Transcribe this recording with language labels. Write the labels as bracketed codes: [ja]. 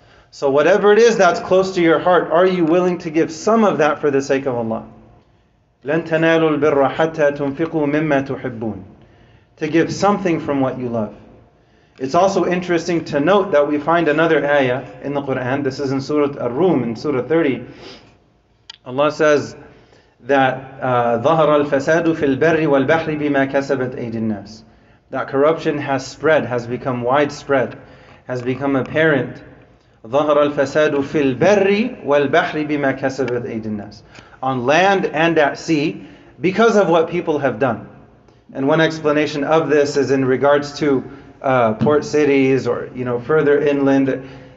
[en] So whatever it is that's close to your heart, are you willing to give some of that for the sake of Allah? [ar] لَن تَنَالُوا الْبِرَّ حَتَّى تُنْفِقُوا مِمَّا تُحِبُّونَ. [en] To give something from what you love. It's also interesting to note that we find another ayah in the Qur'an. This is in Surah Ar-Rum, in Surah 30. Allah says that [ar] ظَهَرَ الْفَسَادُ فِي الْبَرِّ وَالْبَحْرِ بِمَا كَسَبَتْ أَيْدِ النَّاسِ. [en] That corruption has spread, has become widespread, has become apparent. [ar] ظَهَرَ الْفَسَادُ فِي الْبَرِّ وَالْبَحْرِ بِمَا كَسَبَتْ أَيْدِ النَّاسِ. [en] On land and at sea, because of what people have done. And one explanation of this is in regards to port cities or, you know, further inland.